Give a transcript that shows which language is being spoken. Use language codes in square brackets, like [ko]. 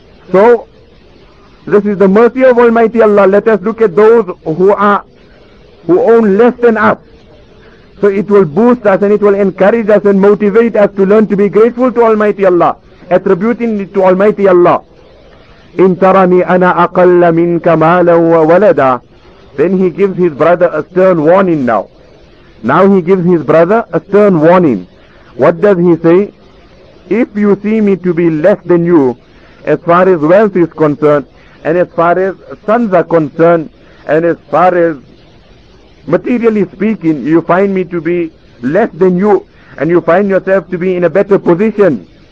[en] So, this is the mercy of Almighty Allah. Let us look at those who own less than us. So it will boost us and it will encourage us and motivate us to learn to be grateful to Almighty Allah, attributing it to Almighty Allah. [ar] إِن تَرَنِي أَنَا أَقَلَّ مِنْكَ مَالًا وَوَلَدًا. [en] Then he gives his brother a stern warning now. Now he gives his brother a stern warning. What does he say? If you see me to be less than you, as far as wealth is concerned, and as far as sons are concerned, and as far as materially speaking, you find me to be less than you, and you find yourself to be in a better position.